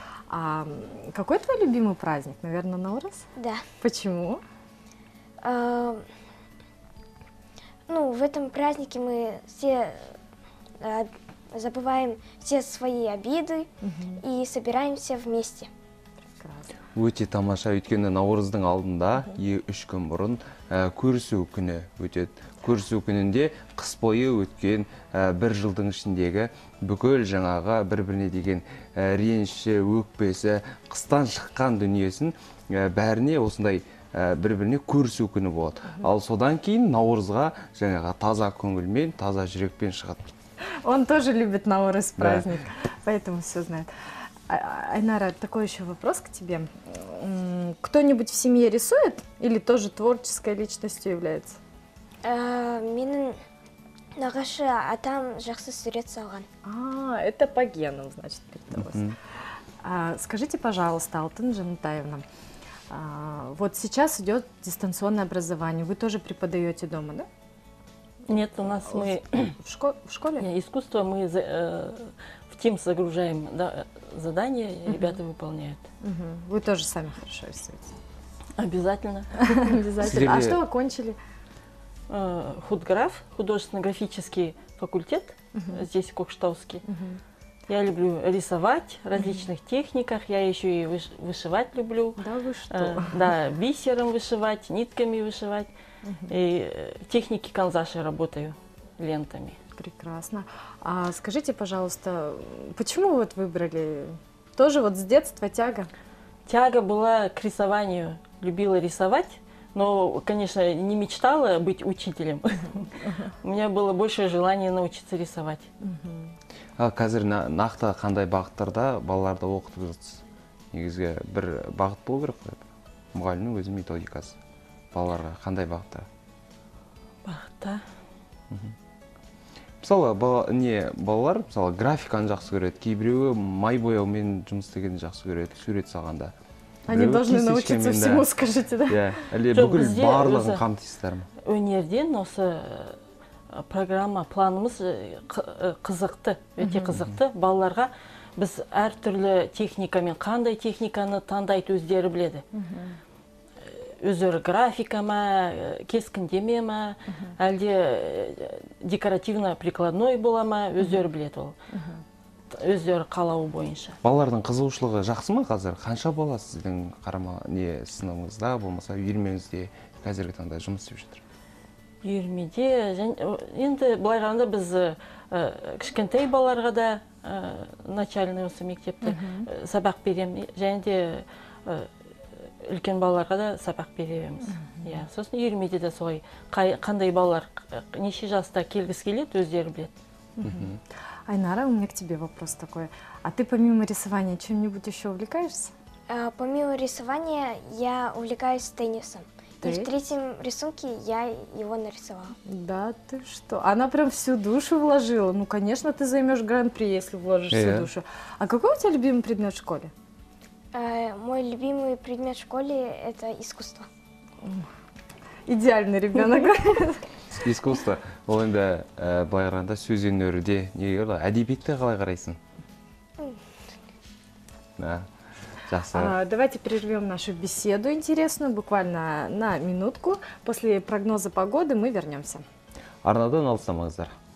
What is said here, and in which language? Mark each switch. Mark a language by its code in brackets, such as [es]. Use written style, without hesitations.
[ru] А какой твой любимый праздник? Наверное, Наурыз? Да. Почему? Ну, в этом празднике мы все забываем все свои обиды и собираемся вместе. Прекрасно. [kk] Өте тамаша, өйткені Наурыздың алдында 3 күн бұрын көрісу күні өтеді. Көрісу күнінде қыс бойы өткен бір жылдың ішіндегі бүкіл жаңағы бір-біріне деген реніші, өкпесі, қыстан шыққан дүниесін бәріне осындай бір-біріне көрісу күні болады. Ал содан кейін Наурызға жаңағы таза көңілмен, таза жүрекпен шығады. [ru] Он тоже любит Наурыз праздник, поэтому все знает. Айнара, такой еще вопрос к тебе. Кто-нибудь в семье рисует или тоже творческой личностью является? Менің нағашы атам жақсы сурет салған. Это по генам, значит, передалось. Скажите, пожалуйста, Алтын Жанатаевна, вот сейчас идет дистанционное образование. Вы тоже преподаете дома, да? Нет, у нас мы... В школе? Нет, искусство мы... Тим загружаем, да, задания, ребята выполняют. Вы тоже сами хорошо рисуете? Обязательно. Обязательно. А что окончили? Худграф, художественно-графический факультет, здесь Кокштауский. Я люблю рисовать в различных техниках. Я еще и вышивать люблю. Да вы что? Да, бисером вышивать, нитками вышивать. И в технике канзаши работаю лентами. Прекрасно. А скажите, пожалуйста, почему вы вот выбрали? Тоже вот с детства тяга? Тяга была к рисованию. Любила рисовать. Но, конечно, не мечтала быть учителем. У меня было большее желание научиться рисовать. [kk] А қазір нақты қандай бағыттарда балаларды оқытып жатсыз? Негізгі бір бағыт болу керек қой. Мұғалімнің өзі методикасы. Балаларға қандай бағытта? Бағытта. Мысалы, балалар, мысалы, графиканы жақсы көреді. Кейбіреуі май бояумен жұмыс істегенді жақсы көреді. Сурет салғанда. [ru] Они должны научиться всему, скажите, да? Да. [kk] Или бүкіл барлығын қамтисыздар ма? Өнерден осы программа, планымыз қызықты, өте қызықты. Балаларға біз әр түрлі техника мен қандай техниканы таңдайды өздері біледі. Өздері графика ма, кескіндеме ма, әлде декоративно-прикладной бола ма, өздері біледі ол. Өздері қалауы бойынша. Балалардың қызығушылығы жақсы ма қазір? Қанша бала сіздің қарама не сыныңызда болмаса, үйірмеңізде қазіргі таңда жұмыс істеп жатыр? Үйірмеде, енді былай қарағанда біз кішкентай балаларға да начальный осы мектепті сабақ береміз, және де үлкен балаларға да сабақ береміз. Сосын үйірмеде де солай қандай балалар неше жаста келгісі келеді, өздері біледі. [ru] Айнара, у меня к тебе вопрос такой. А ты помимо рисования чем-нибудь еще увлекаешься? Помимо рисования я увлекаюсь теннисом. Ты? И в третьем рисунке я его нарисовала. Да ты что? Она прям всю душу вложила. Ну, конечно, ты займешь гран-при, если вложишь всю душу. А какой у тебя любимый предмет в школе? Мой любимый предмет в школе – это искусство. Идеальный ребенок. Искусство. [kk] Ол енді былай қарағанда сөз өнерінде не ғой, әдебиетті қалай қарайсың? Да. Жақсы. [ru] Давайте прервем нашу беседу интересную буквально на минутку. После прогноза погоды мы вернемся. [kk] Арнадан алыстамаңыздар.